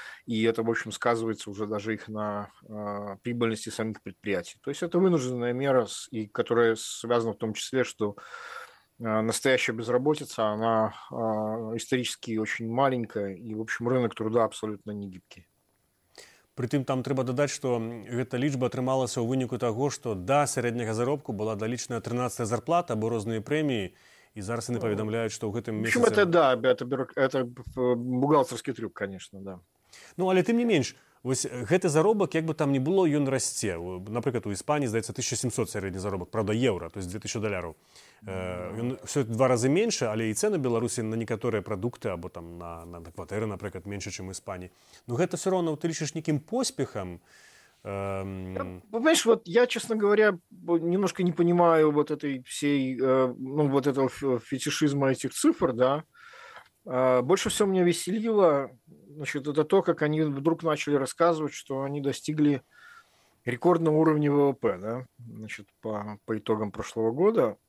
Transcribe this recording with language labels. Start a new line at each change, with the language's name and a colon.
Russian: И это, в общем, сказывается уже даже их на прибыльности самих предприятий. То есть это вынужденная мера, и которая связана в том числе, что настоящая безработица, она исторически очень маленькая, и, в общем, рынок труда абсолютно не гибкий.
Belarusian: Притым там трэба дадаць, што гэта лічба атрымалася ў выніку таго, што да сярэдняга заробку была далічная 13-я зарплата або розныя прэміі, і зараз яны паведамляюць, што ў гэтым месяцы.
Russian: Чым это да, это бухгалтарскі трюк, конечно, да.
Belarusian: Ну, але тым не менш, вось гэты заробак, як бы там ні было, ён расце. Напрыклад, у Іспаніі здаецца 1700 сярэдні заробак, правда, еўра, то есть 2000 даляраў. Ён усё два разы менше, але і цэны Беларусі на некаторыя прадукты або там на кватэры, напрыклад, менш, чым у Іспаніі. Ну гэта ўсё роўна, ты лічыш некім поспехам.
Russian: Понимаешь, вот я, честно говоря, немножко не понимаю вот этой всей, ну вот этого фетишизма этих цифр, да. Больше всего меня веселило, значит, это то, как они вдруг начали рассказывать, что они достигли рекордного уровня ВВП, да, значит, по итогам прошлого года.